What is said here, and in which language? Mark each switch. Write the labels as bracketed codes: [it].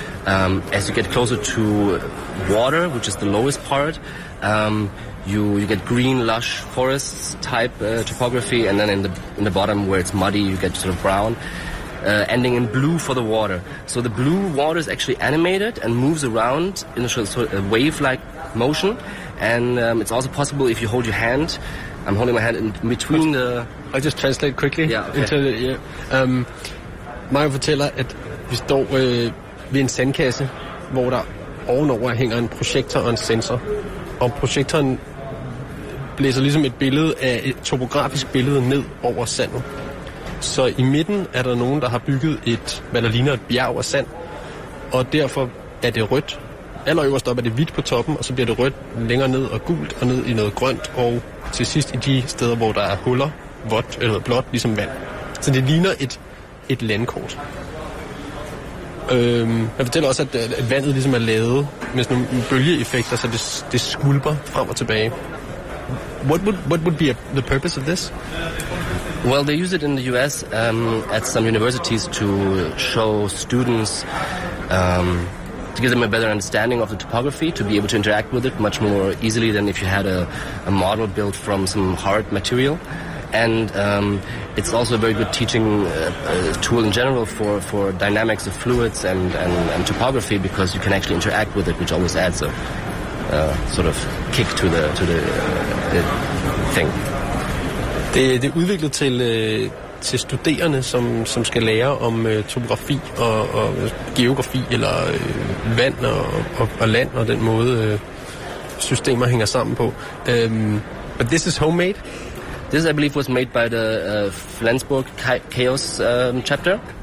[en] As you get closer to water, which is the lowest part, you get green, lush forests type topography, and then in the bottom where it's muddy, you get sort of brown, ending in blue for the water. So the blue water is actually animated and moves around in a sort of wave-like motion. And it's also possible if you hold your hand. I'm holding my hand in between the... I'll just translate quickly. Yeah, okay. Into the, yeah. [da] Mario fortæller, at vi står ved en sandkasse, hvor der ovenover hænger en projektor og en sensor. Og projektoren blæser ligesom et billede af et topografisk billede ned over sandet. Så i midten er der nogen, der har bygget et, hvad der ligner et bjerg af sand. Og derfor er det rødt. Allerøverst op er det hvidt på toppen, og så bliver det rødt længere ned og gult og ned i noget grønt. Og til sidst i de steder, hvor der er huller, vådt eller blåt, ligesom vand. Så det ligner et landkort. Jeg fortæller også, at vandet ligesom er lavet med sådan nogle bølgeeffekter, så det skulper frem og tilbage. [en] What would be the purpose of this? Well, they use it in the US at some universities to show students, to give them a better understanding of the topography, to be able to interact with it much more easily than if you had a model built from some hard material. And it's also a very good teaching tool in general for dynamics of fluids and topography, because you can actually interact with it, which always adds a sort of kick to the thing. [da] Det er udviklet til studerende, som skal lære om topografi og geografi, eller vand og land, og den måde systemer hænger sammen på. [en] But this is homemade? This, I believe, was made by the Flensburg Chaos chapter.